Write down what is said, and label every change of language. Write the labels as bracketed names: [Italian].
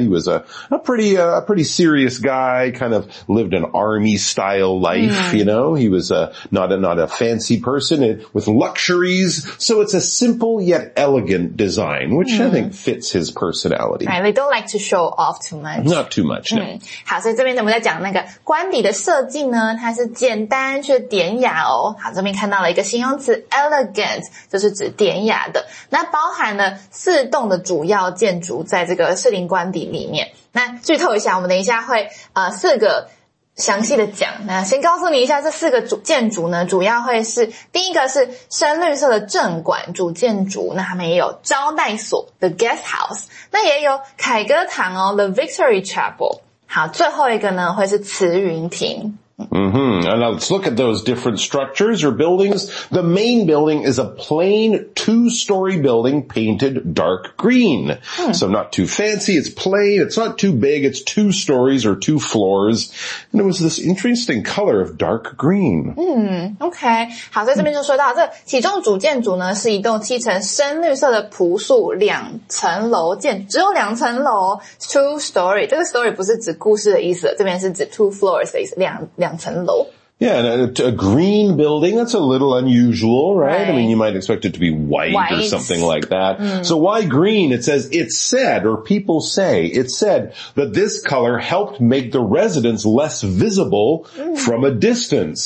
[English] He was a pretty serious guy, kind of lived an army style life, you know? He was not a fancy person with luxuries. So it's a simple yet elegant design, which I think fits his personality. Right, they don't like to show off too much. Not too much, no. [Chinese] 好，所以这边我们在讲那个官邸的设计呢，它是简单却典雅哦。好，这边看到了一个形容词 elegant， 就是指典雅的。那包含了四栋的主要建筑在这个士林官邸里面。那剧透一下，我们等一下会四个详细的讲。那先告诉你一下，这四个主建筑呢，主要会是第一个是深绿色的正馆主建筑，那他们也有招待所 the guest house，那也有凯歌堂哦 the Victory Chapel。好，最后一个呢会是慈云亭。 Mm-hmm. [English] And now let's look at those different structures or buildings. The main building is a plain two-story building painted dark green. So not too fancy. It's plain. It's not too big. It's two stories or two floors. And it was this interesting color of dark green. Okay. [Chinese] 好，在这边就说到这其中主建筑呢是一栋漆成深绿色的朴素两层楼建只有两层楼 two-story. 这个 story 不是指故事的意思这边是指 two floors 的意思两层楼。 [English] Yeah, and a green building, that's a little unusual, right? I mean, you might expect it to be white or something like that. So why green? It said that this color helped make the residents less visible from a distance.